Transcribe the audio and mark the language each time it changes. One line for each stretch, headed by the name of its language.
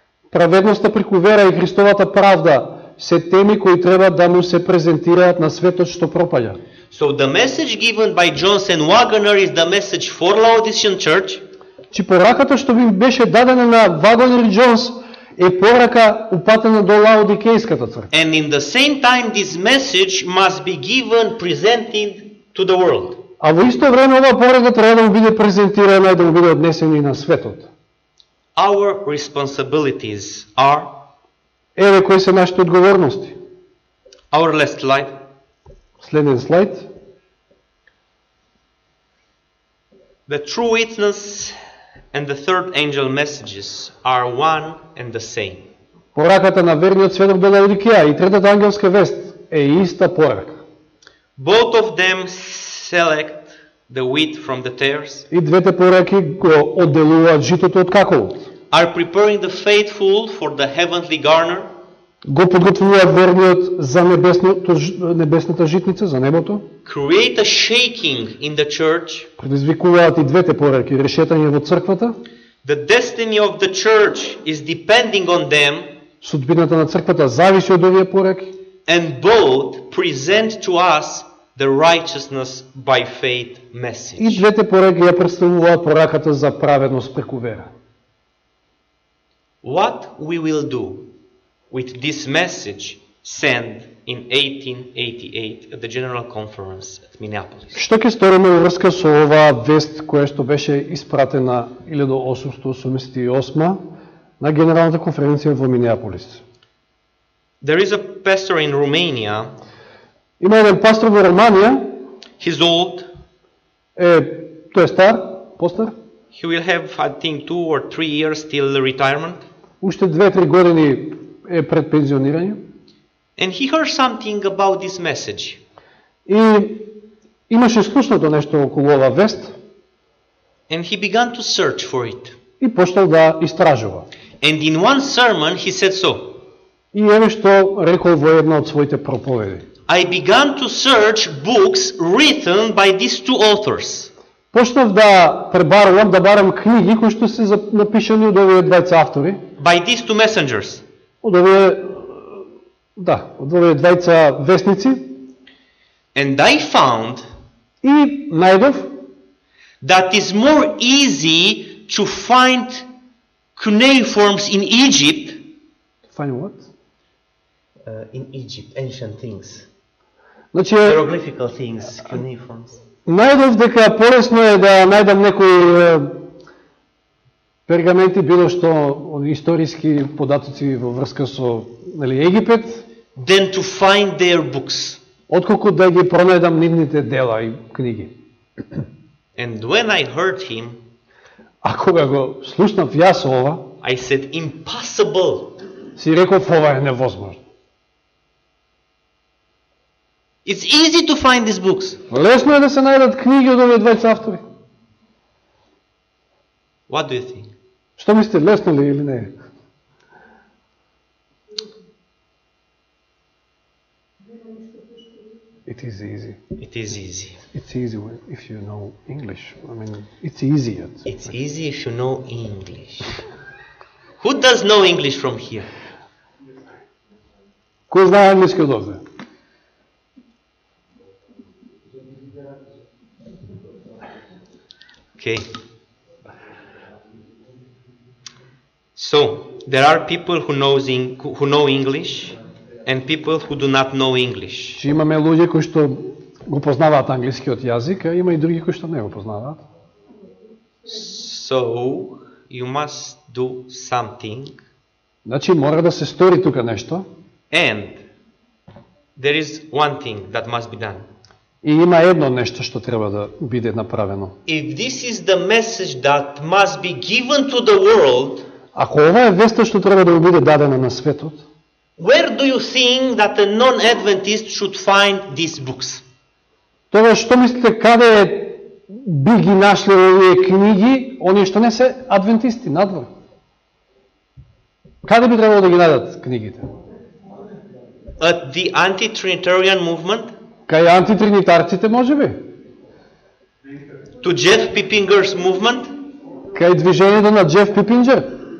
Macedonian: Праведноста преку вера и Христовата правда се теми кои треба да му се презентираат на светот што пропаѓа.
English: So the message given by Jones and Wagoner is the message for Laodicean Church.
Macedonian: Чи пораката што ви беше дадена на Вагонер и Джонс е порака упатена до Лаодикејската црква.
English: And in the same time this message must be given presented to the world.
Macedonian: А во исто време оваа порака треба да му биде презентирана и да му биде однесена и на светот.
English: Our responsibilities are.
Macedonian: Еве кои се нашите одговорности.
English: Our last slide.
Macedonian: Следен слайд.
English: The true witness and the third angel messages are one and the same.
Macedonian: Пораката на верниот сведок до Лаодикеја и третата ангелска вест е иста порака.
English: Both of them select the wheat from the tares.
Macedonian: И двете пораки го одделуваат житото од какавот.
English: Are preparing the faithful for the heavenly garner.
Macedonian: Го подготвува верниот за небесната житница, за небото.
English: Create a shaking in the church.
Macedonian: Предизвикуваат и двете пораки решетање во црквата.
English: The destiny of the church is depending on them.
Macedonian: Судбината на црквата зависи од овие пораки.
English: And both present to us the righteousness by faith message.
Macedonian: И двете пораки ја представуваат пораката за праведност преку вера.
English: What we will do with this message sent in 1888 at the General Conference at Minneapolis?
Macedonian: Што ќе сториме во врска со оваа вест која што беше испратена 1888 на Генералната конференција во Минеаполис?
English: There is a pastor in Romania.
Macedonian: Има еден пастор во Руманија.
English: He's old.
Macedonian: Тој е стар, постар.
English: He will have, I think, 2 or 3 years till retirement.
Macedonian: Уште 2-3 години е пред пензионирање.
English: And he heard something about this message.
Macedonian: И имаше слушното нешто околу ова вест.
English: And he began to search for it.
Macedonian: И почнал да истражува.
English: And in one sermon he said so.
Macedonian: И еве што рекол во една од своите проповеди.
English: I began to search books written by these two authors.
Macedonian: Почнав да пребарувам, да барам книги кои што се напишани од овие двајца автори.
English: By these two messengers.
Macedonian: Од овие, да, од овие двајца вестници.
English: And I found.
Macedonian: И најдов.
English: That is more easy to find cuneiforms in Egypt. To find what? In Egypt, ancient things.
Macedonian: Значи,
English: hieroglyphical things, cuneiforms.
Macedonian: Најдов дека полесно е да најдам некои пергаменти, било што историски податоци во врска со нели, Египет,
English: then to find their books.
Macedonian: Отколку да ги пронајдам нивните дела и книги.
English: And when I heard him,
Macedonian: а кога го слушнав јас ова,
English: I said impossible.
Macedonian: Си реков ова е невозможно.
English: It's easy to find these books.
Macedonian: Лесно е да се најдат книги од овие двајца автори.
English: What do you think?
Macedonian: Што мислите, лесно ли или не?
English: И It is easy. It is easy. It's easy if you know English. I mean, it's easier. It's easy if you know English. Who does know English from here?
Macedonian: Кој знае англиски од овде?
English: Okay. So, there are people who knows who know English and people who do not know English.
Macedonian: Чи имаме луѓе кои што го познаваат англискиот јазик, а има и други кои што не го познаваат.
English: So, you must do something.
Macedonian: Значи мора да се стори тука нешто.
English: And there is one thing that must be done.
Macedonian: И има едно нешто што треба да биде направено.
English: If this is the message that must be given to the world,
Macedonian: ако ова е веста што треба да биде дадена на светот,
English: where do you think that a non-Adventist should find these books?
Macedonian: Тоа што мислите каде би ги нашле овие книги, оние што не се адвентисти надвор? Каде би требало да ги најдат книгите?
English: At the anti-trinitarian movement?
Macedonian: Кај антитринитарците можеби?
English: To Jeff Pippinger's movement?
Macedonian: Кај движењето на Джеф Пипингер?